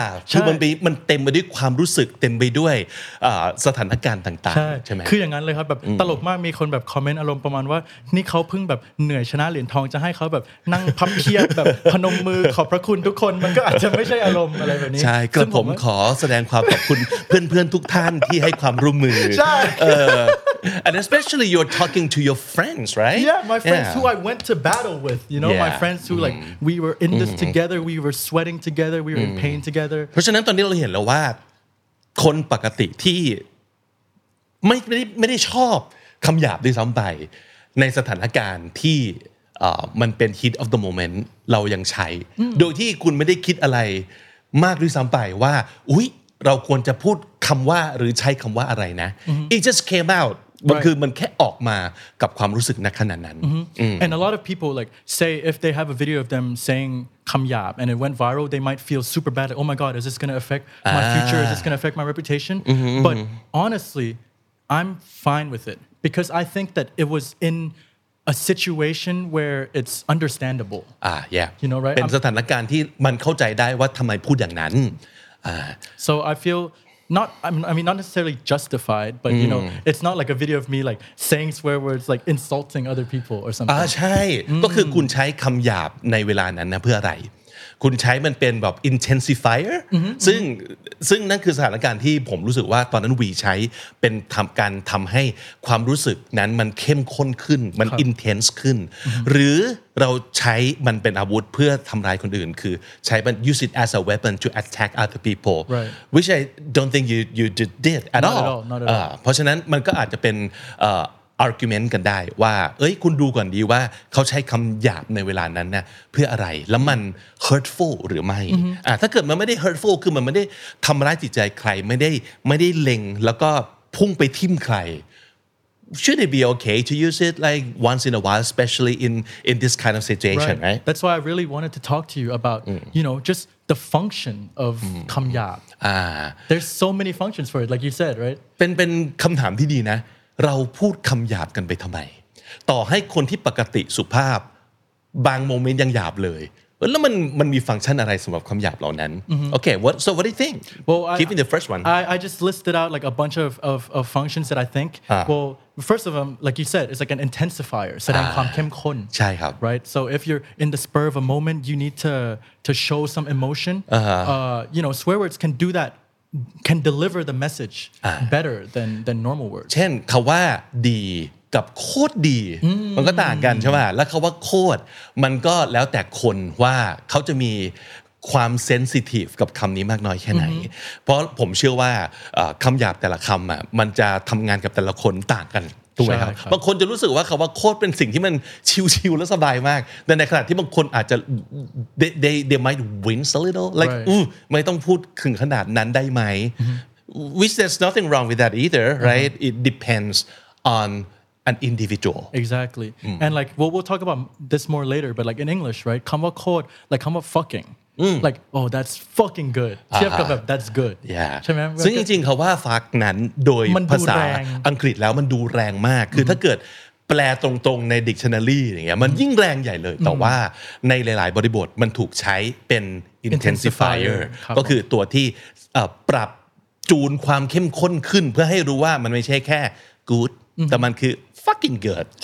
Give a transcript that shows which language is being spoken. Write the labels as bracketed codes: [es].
[th] คือมันเต็มไปด้วยความรู้สึกเต็มไปด้วยสถานการณ์ต่างๆใช่ไหม คืออย่างนั้นเลยครับแบบตลกมากมีคนแบบคอมเมนต์อารมณ์ประมาณว่านี่เขาเพิ่งแบบเหนื่อยชนะเหรียญทองจะให้เขาแบบนั่งพับเพียบแบบพนมมือขอบพระคุณทุกคนมันก็อาจจะไม่ใช่อารมณ์อะไรแบบนี้ ใช่กระผมขอแสดงความขอบคุณเพื่อนๆทุกท่านที่ให้ความร่วมมือ ใช่ [en] and especially you're talking to your friends right yeah my friends who I went to battle with you know my friends who like we were in this together we were sweatingTogether, we were in pain together. [th] เพราะฉะนั้นตอนนี้เราเห็นแล้วว่าคนปกติที่ไม่ได้ชอบคำหยาบด้วยซ้ำไปในสถานการณ์ที่มันเป็น [en] heat of the moment [th] เรายังใช้โดยที่คุณไม่ได้คิดอะไรมากด้วยซ้ำไปว่าอุ๊ยเราควรจะพูดคำว่าหรือใช้คำว่าอะไรนะ [en] It just came out [th] มันคือมันแค่ออกมากับความรู้สึกณขณะนั้น [en] And a lot of people like say if they have a video of them sayingKamyab and it went viral. They might feel super bad. Like, oh my God, is this going to affect my future? Is this going to affect my reputation? But honestly, I'm fine with it because I think that it was in a situation where it's understandable. Yeah. You know, right? [th] เป็นสถานการณ์ที่มันเข้าใจได้ว่าทำไมพูดอย่างนั้น [en] So I feel not. I mean, not necessarily justified, but you know, it's not like a video of me like saying swear words, like insulting other people or something. [th] ใช่ก็คือคุณใช้คำหยาบในเวลานั้นนะเพื่ออะไรคุณใช้มันเป็นแบบ intensifier ซึ่งนั่นคือสถานการณ์ที่ผมรู้สึกว่าตอนนั้นวีใช้เป็นทำการทำให้ความรู้สึกนั้นมันเข้มข้นขึ้นมัน intense ขึ้นหรือเราใช้มันเป็นอาวุธเพื่อทำร้ายคนอื่นคือใช้มัน [en] use it as a weapon to attack other people right. which I don't think you did it at all [th] เพราะฉะนั้นมันก็อาจจะเป็นargument กันได้ว่าเอ้ยคุณดูก่อนดีว่าเขาใช้คำหยาบในเวลานั้นนะเพื่ออะไรแล้วมัน hurtful หรือไม่ ถ้าเกิดมันไม่ได้ hurtful คือมันไม่ได้ทำร้ายจิตใจใครไม่ได้เล็งแล้วก็พุ่งไปทิ่มใคร [en] Should it be okay to use it like once in a while especially in this kind of situation right That's why I really wanted to talk to you about you know just the function of คำหยาบ There's so many functions for it like you said right [th] เป็นคำถามที่ดีนะเราพูดคำหยาบกันไปทำไมต่อให้คนที่ปกติสุภาพบางโมเมนต์ยังหยาบเลยแล้วมันมีฟังก์ชันอะไรสำหรับคำหยาบเหล่านั้นโอเค [en] what so what do you think well keeping the first one I just listed out like a bunch of functions that I think well first of them like you said it's like an intensifier [th] แสดงความเข้มข้น [en] ใช่ครับ right so if you're in the spur of a moment you need to show some emotion you know swear words can do thatcan deliver the message better than normal words [th] เช่นคําว่าดีกับโคตรดีมันก็ต่างกันใช่ป่ะแล้วคําว่าโคตรมันก็แล้วแต่คนว่าเขาจะมี ความเซนซิทีฟกับคํานี้มากน้อยแค่ไหนเพราะผมเชื่อว่าคําหยาบแต่ละคําอ่ะมันจะทํางานกับแต่ละคนต่างกันถูกมั้ยครับบางคนจะรู้สึกว่าคําว่าโคตรเป็นสิ่งที่มันชิลๆและสบายมากแต่ในขณะที่บางคนอาจจะ [en] they might wince a little like ooh [th] ไม่ต้องพูดถึงขนาดนั้นได้ไหม [en] which there's nothing wrong with that either right it depends on an individual exactly and like well we'll talk about this more later but like in English right [th] คําว่าโคตร [en] like คําว่า fuckingLike oh that's fucking good. [th] เทียบกับแบบ [en] that's good. Yeah. [th] ใช่ไหม ซึ่งจริงๆเขาว่า fuck นั้นโดยภาษาอังกฤษแล้วมันดูแรงมากคือถ้าเกิดแปลตรงๆใน dictionary อย่างเงี้ยมันยิ่งแรงใหญ่เลยแต่ว่าในหลายๆบริบทมันถูกใช้เป็น intensifier ก็คือตัวที่ปรับจูนความเข้มข้นขึ้นเพื่อให้รู้ว่ามันไม่ใช่แค่ good แต่มันคือ fucking good